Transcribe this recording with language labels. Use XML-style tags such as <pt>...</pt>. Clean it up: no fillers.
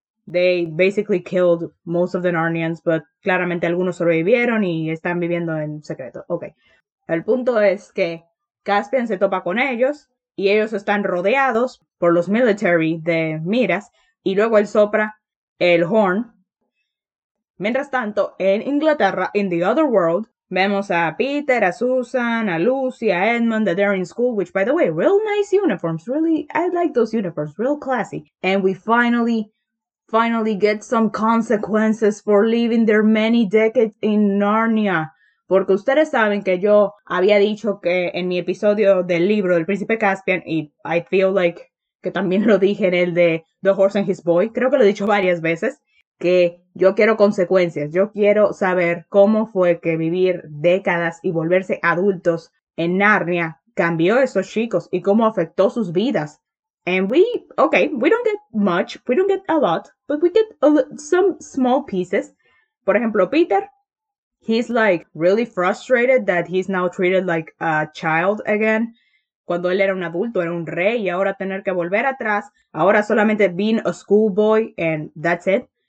<en>They basically killed most of the Narnians, but</en> <es>claramente algunos sobrevivieron y están viviendo en secreto.</es> <en>Okay.</en> <es>El punto es que Caspian se topa con ellos y ellos están rodeados por los military de Miras y luego él sopra el horn. Mientras tanto, en Inglaterra,</es> <en>in the other world,</en> <es>Vemos a Peter, a Susan, a Lucy, a Edmund,</es> <en>the Daring School, which, by the way, real nice uniforms. Really, I like those uniforms. Real classy. And we finally, finally get some consequences for living their many decades in Narnia.</en> <es>Porque ustedes saben que yo había dicho que en mi episodio del libro del Príncipe Caspian, y</es> <en>I feel like</en> <es>que también lo dije en el de The Horse and His Boy, creo que lo he dicho varias veces, que yo quiero consecuencias, yo quiero saber cómo fue que vivir décadas y volverse adultos en Narnia cambió a esos chicos y cómo afectó sus vidas.</es> <en>And we, okay, we don't get much, we don't get a lot, but we get some small pieces.</en> <es>Por ejemplo,</es> <en>Peter, he's like really frustrated that he's now treated like a child again.</en> <es>Cuando él era un adulto, era un rey, y ahora tener que volver atrás, ahora solamente</es> <en>being a schoolboy and that's it.</en>